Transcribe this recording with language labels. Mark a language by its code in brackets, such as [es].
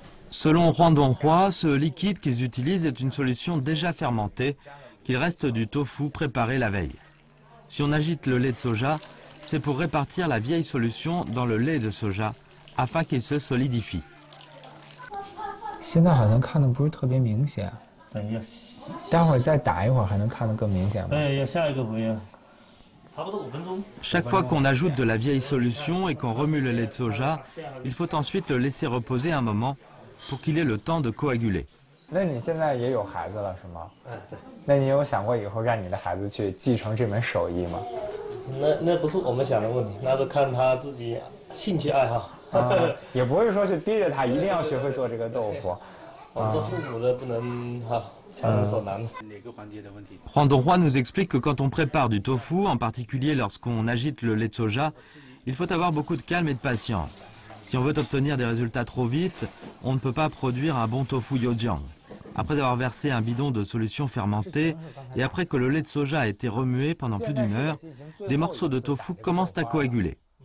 [fr] Selon Huang Donghua, ce liquide qu'ils utilisent est une solution déjà fermentée, qu'il reste du tofu préparé la veille. Si on agite le lait de soja, c'est pour répartir la vieille solution dans le lait de soja, afin qu'il se solidifie. [zh] 现在好像看的不是特别明显。等一下，待会儿再打一会儿，还能看得更明显吗？哎，下一个不用，差不多五分钟。 [fr] Chaque fois qu'on ajoute de la vieille solution et qu'on remue le lait de soja, il faut ensuite le laisser reposer un moment pour qu'il ait le temps de coaguler. [zh] 那你现在也有孩子了是吗？哎，对。那你有想过以后让你的孩子去继承这门手艺吗？那不是我们想的问题，那是看他自己兴趣爱好。也不是说去逼着他一定要学会做这个豆腐。我们做父母的不能哈。 [fr] Huang Donghua nous explique que quand on prépare du tofu, en particulier lorsqu'on agite le lait de soja, il faut avoir beaucoup de calme et de patience. Si on veut obtenir des résultats trop vite, on ne peut pas produire un bon tofu yojiang. Après avoir versé un bidon de solution fermentée et après que le lait de soja a été remué pendant plus d'une heure, des morceaux de tofu commencent à coaguler.